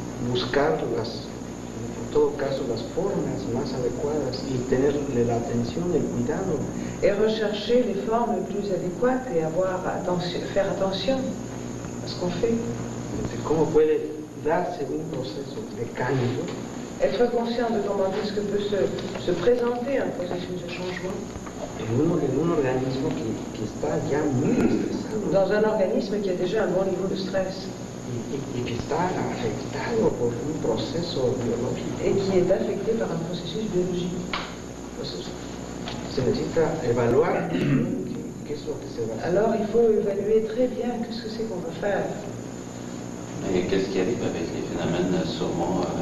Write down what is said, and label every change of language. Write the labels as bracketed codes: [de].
[es] Buscar las, en todo caso, las formas más adecuadas y tenerle la atención, el cuidado. [fr] Et rechercher les formes les plus adéquates et avoir attention, faire attention à ce qu'on fait. [es] ¿Cómo puede darse un proceso de cambio? [fr] Être conscient de comment est-ce que peut se présenter un processus de changement. [es] En un organismo que está ya muy estresado. [fr] Dans un organisme qui a déjà un bon niveau de stress. [es] Y que está afectado por un proceso biológico. [fr] Et qui est affecté par un processus biologique. [es] Entonces, se necesita evaluar qué es lo que se va a hacer. [fr] Alors, il faut évaluer très bien [es] qué es lo que va a hacer. [fr] Et qu'est-ce qui arrive avec les phénomènes sûrement